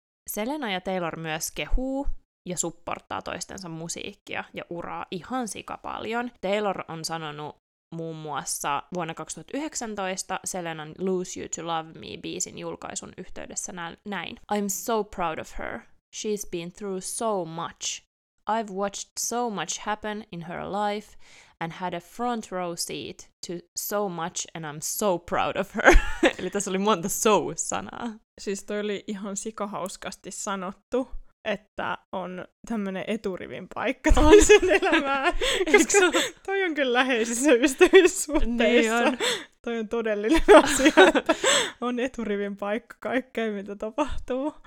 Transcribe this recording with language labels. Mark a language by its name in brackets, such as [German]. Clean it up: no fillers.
[Finnish] Selena ja Taylor myös kehuu ja supportaa toistensa musiikkia ja uraa ihan sika paljon. Taylor on sanonut muun muassa vuonna 2019 Selenan Lose You to Love Me-biisin julkaisun yhteydessä näin. [English] I'm so proud of her. She's been through so much. I've watched so much happen in her life and had a front row seat to so much and I'm so proud of her. [Finnish] Eli tässä oli monta so-sanaa. Siis toi oli ihan sikahauskasti sanottu, että on tämmönen eturivin paikka toisen elämään. Koska toi on kyllä läheisissä ystävyyssuhteissa. Niin on. Toi on todellinen asia, että on eturivin paikka kaikkeen, mitä tapahtuu.